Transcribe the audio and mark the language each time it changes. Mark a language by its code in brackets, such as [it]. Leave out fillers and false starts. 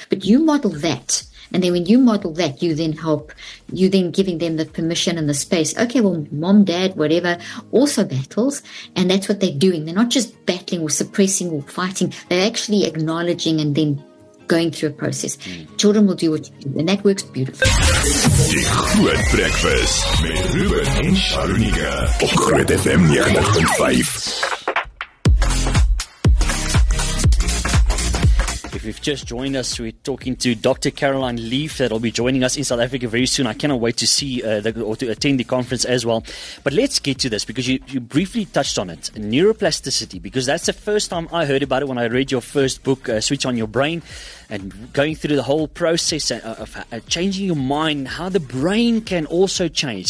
[en] But you model that, and then when you model that, you then help, you then giving them the permission and the space. Okay, well, mom, dad, whatever, also battles, and that's what they're doing. They're not just battling or suppressing or fighting, they're actually acknowledging and then going through a process. Children will do what you do, and that works beautifully. [af] Die Groot Breakfast met Ruben en Sharunika op Groot FM 90.5. [en] If you've just joined us, we're talking to Dr. Caroline Leaf, that will be joining us in South Africa very soon. I cannot wait to see or to attend the conference as well. But let's get to this, because you briefly touched on it, neuroplasticity, because that's the first time I heard about it when I read your first book, Switch on Your Brain, and going through the whole process of changing your mind, how the brain can also change.